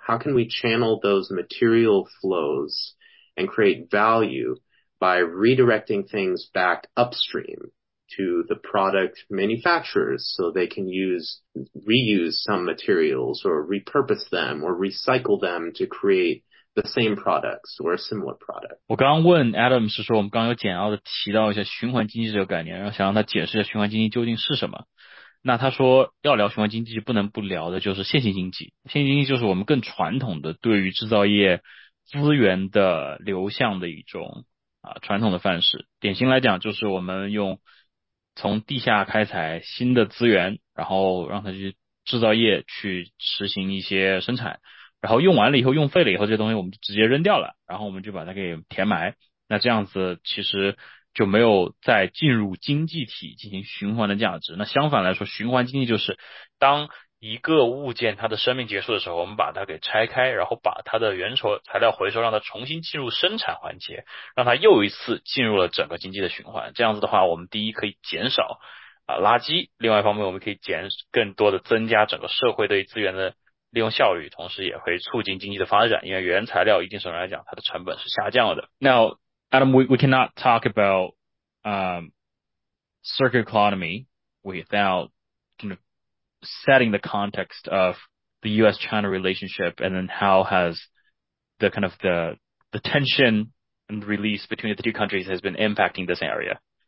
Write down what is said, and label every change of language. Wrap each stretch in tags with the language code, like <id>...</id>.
<en>How can we channel those material flows and create value by redirecting things back upstream to the product manufacturers so they can reuse some materials or repurpose them or recycle them to createThe same products or similar products.</en> <zh>我刚问 Adam 是说，我们刚刚有简要的提到一下循环经济这个概念，然后想让他解释一下循环经济究竟是什么。那他说，要聊循环经济，不能不聊的就是线性经济。线性经济就是我们更传统的对于制造业资源的流向的一种传统的范式。典型来讲，就是我们用从地下开采新的资源，然后让它去制造业去实行一些生产。然后用完了以后，用废了以后，这些东西我们就直接扔掉了，然后我们就把它给填埋。那这样子其实就没有再进入经济体进行循环的价值。那相反来说，循环经济就是当一个物件它的生命结束的时候，我们把它给拆开，然后把它的原始材料回收，让它重新进入生产环节，让它又一次进入了整个经济的循环。这样子的话，我们第一可以减少垃圾，另外一方面我们可以减更多的增加整个社会对资源的利用效率，同时也会促进经济的发展，因为原材料一定程度来讲它的成本是下降了的。</zh> <en>Now Adam, we cannot talk about circular economy without kind of setting the context of the US-China relationship and then how has the kind of the tension and release between the two countries has been impacting this area.</en>